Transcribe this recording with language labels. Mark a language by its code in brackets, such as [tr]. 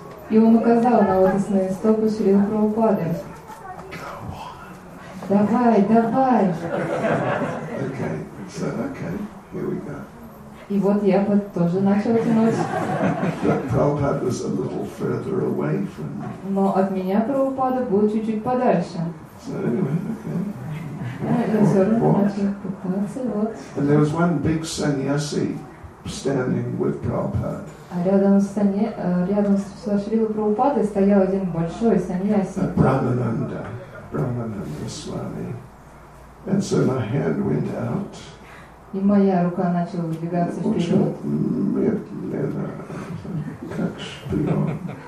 [ru] И он указал на лотосные стопы Шри Прабхупады. Давай, давай. [en] Okay, so okay, here we go. [ru] И вот я тоже начал тянуть. [en] But Prabhupada was a little further away from me. [ru] Но от меня Прабхупада был чуть-чуть подальше. [en] So anyway, okay. [ru] Я все равно начал пытаться, вот. [en] And there was one big sannyasi standing with Prabhupada. [ru] А рядом с Шрилой Прабхупадой стоял один большой саньяси. [en] Брамананда. Брамананда Свами. And so my hand went out. [ru] И моя рука начала выдвигаться вперед. Очень медленно, как шпион.